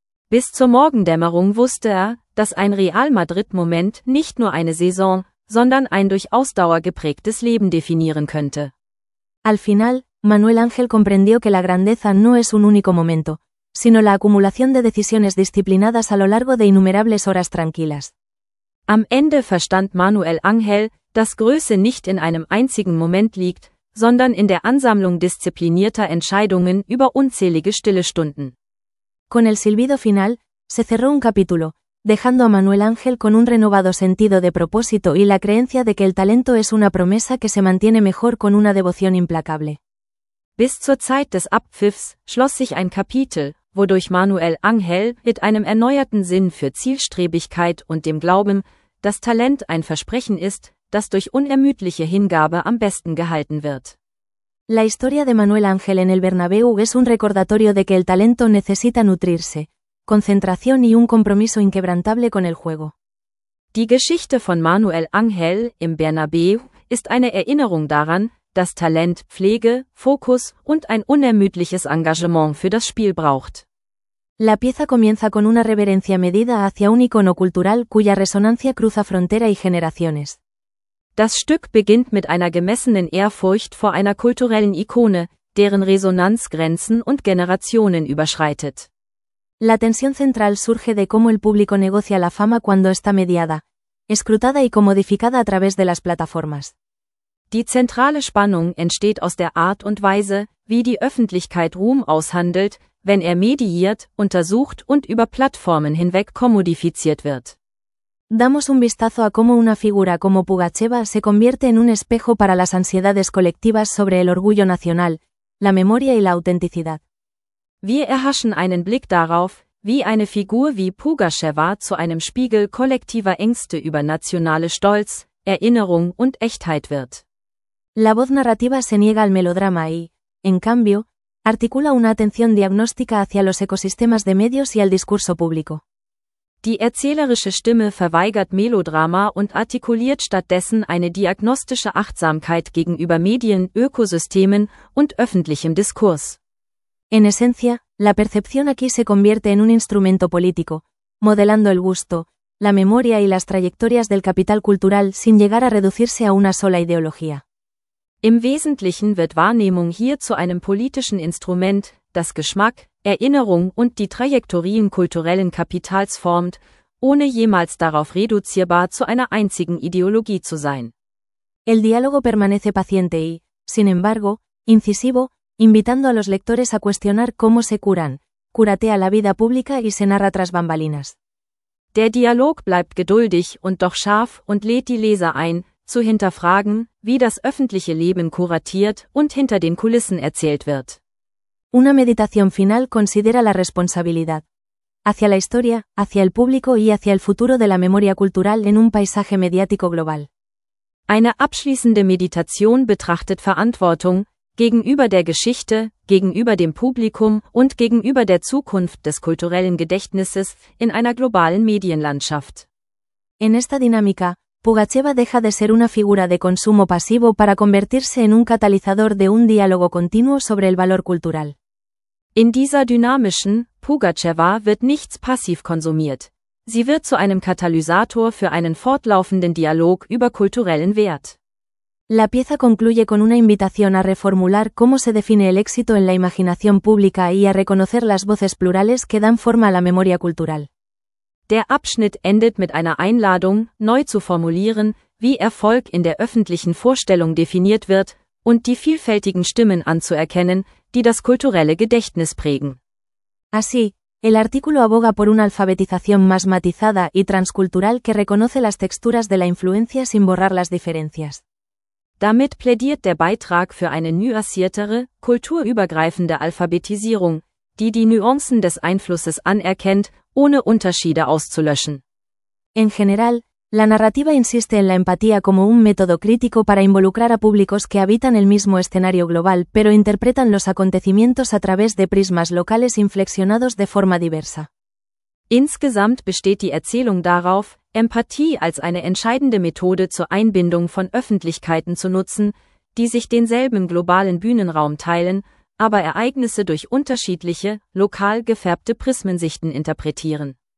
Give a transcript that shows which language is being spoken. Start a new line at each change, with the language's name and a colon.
German: Bis zur Morgendämmerung wusste er, dass ein Real Madrid-Moment nicht nur eine Saison, sondern ein durch Ausdauer geprägtes Leben definieren könnte.
Spanish: Al final, Manuel Ángel comprendió que la grandeza no es un único momento, sino la acumulación de decisiones disciplinadas a lo largo de innumerables horas tranquilas.
German: Am Ende verstand Manuel Ángel, dass Größe nicht in einem einzigen Moment liegt, sondern in der Ansammlung disziplinierter Entscheidungen über unzählige stille Stunden.
Spanish: Con el silbido final, se cerró un capítulo, dejando a Manuel Ángel con un renovado sentido de propósito y la creencia de que el talento es una promesa que se mantiene mejor con una devoción implacable.
German: Bis zur Zeit des Abpfiffs schloss sich ein Kapitel, wodurch Manuel Ángel mit einem erneuerten Sinn für Zielstrebigkeit und dem Glauben, dass Talent ein Versprechen ist, das durch unermüdliche Hingabe am besten gehalten wird.
Spanish: La historia de Manuel Ángel en el Bernabéu es un recordatorio de que el talento necesita nutrirse, Konzentration y un compromiso inquebrantable con el juego.
German: Die Geschichte von Manuel Ángel im Bernabéu ist eine Erinnerung daran, dass Talent Pflege, Fokus und ein unermüdliches Engagement für das Spiel braucht.
Spanish: La pieza comienza con una reverencia medida hacia un icono cultural cuya resonancia cruza frontera y generaciones.
German: Das Stück beginnt mit einer gemessenen Ehrfurcht vor einer kulturellen Ikone, deren Resonanz Grenzen und Generationen überschreitet.
Spanish: La tensión central surge de cómo el público negocia la fama cuando está mediada, escrutada y comodificada a través de las plataformas.
German: Die zentrale Spannung entsteht aus der Art und Weise, wie die Öffentlichkeit Ruhm aushandelt, wenn er mediiert, untersucht und über Plattformen hinweg kommodifiziert wird.
Spanish: Damos un vistazo a cómo una figura como Pugacheva se convierte en un espejo para las ansiedades colectivas sobre el orgullo nacional, la memoria y la autenticidad.
German: Wir erhaschen einen Blick darauf, wie eine Figur wie Pugacheva zu einem Spiegel kollektiver Ängste über nationale Stolz, Erinnerung und Echtheit wird.
Spanish: La voz narrativa se niega al melodrama y, en cambio, articula una atención diagnóstica hacia los ecosistemas de medios y al discurso público.
German: Die erzählerische Stimme verweigert Melodrama und artikuliert stattdessen eine diagnostische Achtsamkeit gegenüber Medien, Ökosystemen und öffentlichem Diskurs.
Spanish: En esencia, la percepción aquí se convierte en un instrumento político, modelando el gusto, la memoria y las trayectorias del capital cultural sin llegar a reducirse a una sola ideología.
German: Im Wesentlichen wird Wahrnehmung hier zu einem politischen Instrument, das Geschmack, Erinnerung und die Trajektorien kulturellen Kapitals formt, ohne jemals darauf reduzierbar zu einer einzigen Ideologie zu sein.
Spanish: El diálogo permanece paciente y, sin embargo, incisivo, invitando a los lectores a cuestionar cómo se curan, curatea la vida pública y se narra tras bambalinas.
German: Der Dialog bleibt geduldig und doch scharf und lädt die Leser ein, zu hinterfragen, wie das öffentliche Leben kuratiert und hinter den Kulissen erzählt wird.
Spanish: Una meditación final considera la responsabilidad. Hacia la historia, hacia el público y hacia el futuro de la memoria cultural en un paisaje mediático global.
German: Eine abschließende Meditation betrachtet Verantwortung, gegenüber der Geschichte, gegenüber dem Publikum und gegenüber der Zukunft des kulturellen Gedächtnisses in einer globalen Medienlandschaft.
Spanish: En esta dinámica, Pugacheva deja de ser una figura de consumo pasivo para convertirse en un catalizador de un diálogo continuo sobre el valor cultural.
German: In dieser dynamischen, Pugacheva wird nichts passiv konsumiert. Sie wird zu einem Katalysator für einen fortlaufenden Dialog über kulturellen Wert.
Spanish: La pieza concluye con una invitación a reformular cómo se define el éxito en la imaginación pública y a reconocer las voces plurales que dan forma a la memoria cultural.
German: Der Abschnitt endet mit einer Einladung, neu zu formulieren, wie Erfolg in der öffentlichen Vorstellung definiert wird, und die vielfältigen Stimmen anzuerkennen, die das kulturelle Gedächtnis prägen.
Spanish: Así, el artículo aboga por una alfabetización más matizada y transcultural que reconoce las texturas de la influencia sin borrar las diferencias.
German: Damit plädiert der Beitrag für eine nuanciertere, kulturübergreifende Alphabetisierung, die die Nuancen des Einflusses anerkennt, ohne Unterschiede auszulöschen.
Spanish: En general, la narrativa insiste en la empatía como un método crítico para involucrar a públicos que habitan el mismo escenario global, pero interpretan los acontecimientos a través de prismas locales inflexionados de forma diversa.
German: Insgesamt besteht die Erzählung darauf, Empathie als eine entscheidende Methode zur Einbindung von Öffentlichkeiten zu nutzen, die sich denselben globalen Bühnenraum teilen, aber Ereignisse durch unterschiedliche, lokal gefärbte Prismensichten interpretieren.